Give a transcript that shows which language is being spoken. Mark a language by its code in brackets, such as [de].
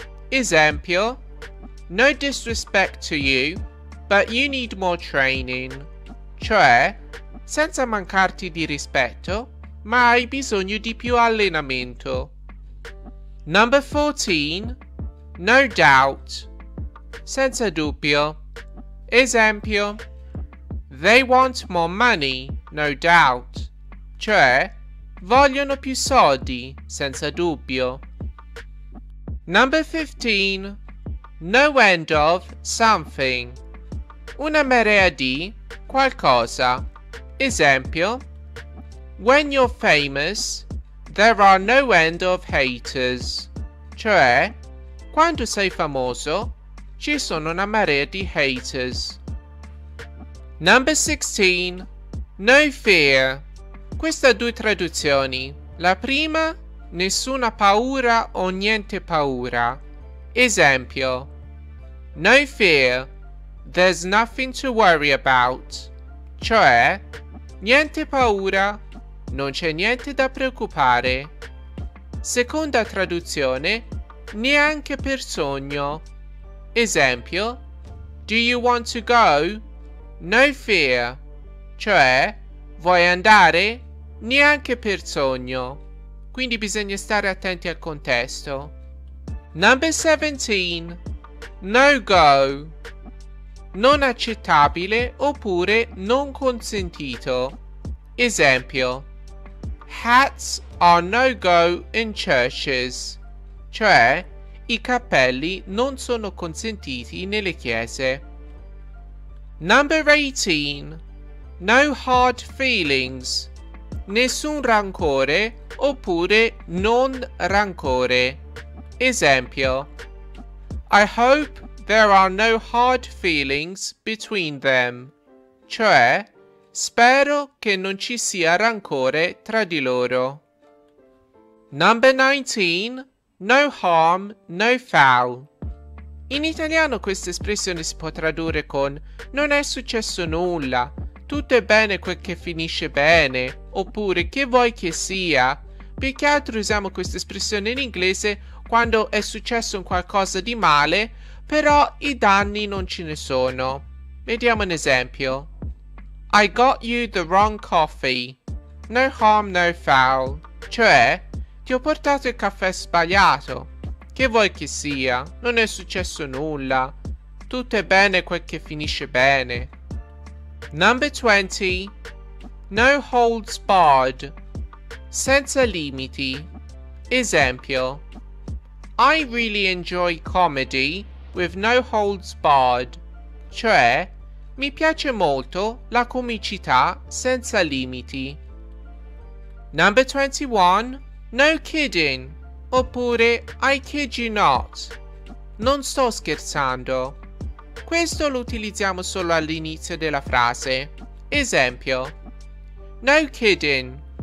[it] Esempio: [en] no disrespect to you, but you need more training. [it] Cioè, senza mancarti di rispetto, ma hai bisogno di più allenamento. [en] Number 14. No doubt. [it] Senza dubbio. Esempio: [en] they want more money, no doubt. [it] Cioè, vogliono più soldi, senza dubbio. [en] Number 15. No end of something. [it] Una marea di qualcosa. [en] Esempio: when you're famous, there are no end of haters. [it] Cioè, quando sei famoso, ci sono una marea di haters. [en] Number 16. No fear. [it] Queste due traduzioni. La prima: nessuna paura o niente paura. [en] Esempio: no fear, there's nothing to worry about. [it] Cioè, niente paura, non c'è niente da preoccupare. Seconda traduzione: neanche per sogno. [en] Esempio: do you want to go? No fear. [it] Cioè, vuoi andare? Neanche per sogno. Quindi bisogna stare attenti al contesto. [en] Number 17. No go. [it] Non accettabile oppure non consentito. [en] Esempio: hats are no go in churches. [it] Cioè, i cappelli non sono consentiti nelle chiese. [en] Number 18. No hard feelings. [it] Nessun rancore oppure non rancore. [en] Esempio: I hope there are no hard feelings between them. [it] Cioè, spero che non ci sia rancore tra di loro. [en] Number 19. No harm, no foul. [it] In italiano questa espressione si può tradurre con: non è successo nulla, tutto è bene quel che finisce bene, oppure che vuoi che sia. Più che altro usiamo questa espressione in inglese quando è successo un qualcosa di male, Però i danni non ce ne sono. Vediamo un esempio. [en] I got you the wrong coffee. No harm, no foul. [it] Cioè, ti ho portato il caffè sbagliato. Che vuoi che sia, non è successo nulla. Tutto è bene quel che finisce bene. [en] Number 20. No holds barred. [it] Senza limiti. Esempio. [en] I really enjoy comedy with no holds barred. [it] Cioè, mi piace molto la comicità senza limiti. [en] Number 21. No kidding. Oppure, I kid you not. [it] Non sto scherzando. Questo lo utilizziamo solo all'inizio della frase. Esempio. [en] No kidding.